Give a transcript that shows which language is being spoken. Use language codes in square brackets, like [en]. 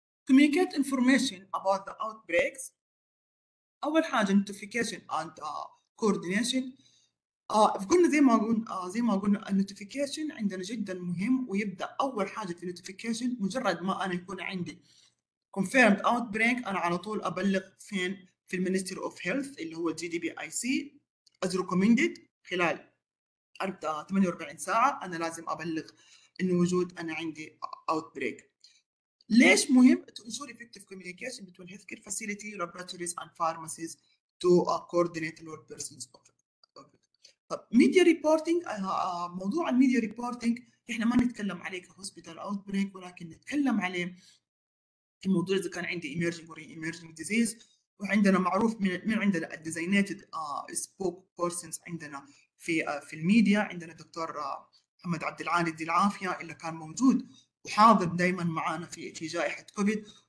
[en] Communicate information about the outbreaks. [ar] أول حاجة [en] notification and coordination. [ar] قلنا زي ما قلنا النوتيفيكيشن عندنا جدا مهم، ويبدأ أول حاجة في النوتيفيكيشن مجرد ما أنا يكون عندي confirmed outbreak أنا على طول أبلغ فين؟ في الـ Ministry of Health اللي هو الـ GDPIC [en] as recommended. [ar] خلال 48 ساعة أنا لازم أبلغ إنه وجود أنا عندي outbreak. ليش مهم [en] to ensure effective communication between healthcare facility, laboratories and pharmacies to coordinate all persons of it. [ar] طب media reporting، موضوع الميديا reporting احنا ما نتكلم عليه كhospital outbreak، ولكن نتكلم عليه في موضوع اذا كان عندي [en] emerging or re-emerging disease. [ar] وعندنا معروف من عندنا [en] designated spoke persons [ar] عندنا في الميديا، عندنا دكتور محمد عبد العالي دي العافية اللي كان موجود وحاضر دائما معانا في جائحة كوفيد.